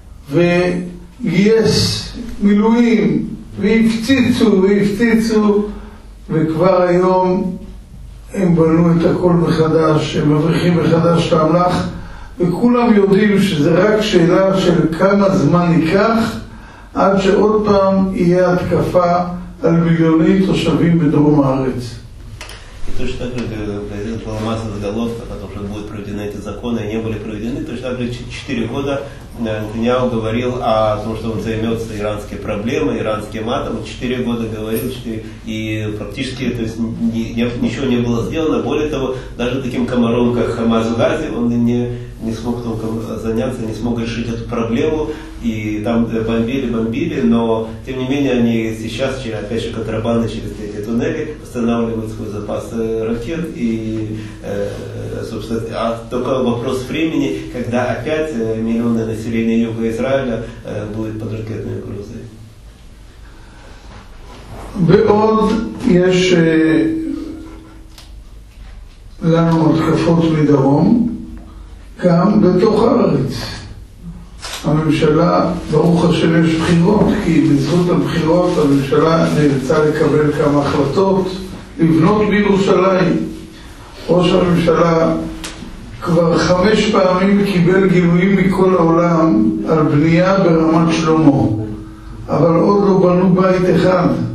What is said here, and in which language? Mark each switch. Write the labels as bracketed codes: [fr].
[he] וגייס מילואים, והפציצו, וכבר היום הם בנו את הכל מחדש, הם מבריחים מחדש את האמל"ח, וכולם יודעים שזה רק שאלה של כמה זמן ייקח עד שעוד פעם יהיה התקפה על מיליוני תושבים בדרום הארץ. [ru] Точно так же произойдет масса заголовков о том, что будут проведены эти законы, не были проведены. Точно так же 4 года Нетаньяху говорил о том, что он займется иранской проблемой, иранским атом. 4 года говорил, и практически, то есть, ничего не было сделано. Более того, даже таким комаром, как Хамас в Газе, он не смог толком заняться, не смог решить эту проблему. И там бомбили, но тем не менее они сейчас, опять же, контрабанды через эти туннели восстанавливают свой запас ракет. И, собственно, только вопрос времени, когда опять миллионное население юга Израиля будет под ракетной угрозой. [he] Беод, еще лану откафот мидаром, גם בתוך הארץ. הממשלה, ברוך השם, יש בחירות, כי בזכות הבחירות הממשלה נאלצה לקבל כמה החלטות לבנות בירושלים. ראש הממשלה כבר 5 פעמים קיבל גילויים מכל העולם על בנייה ברמת שלמה, אבל עוד לא בנו בית אחד.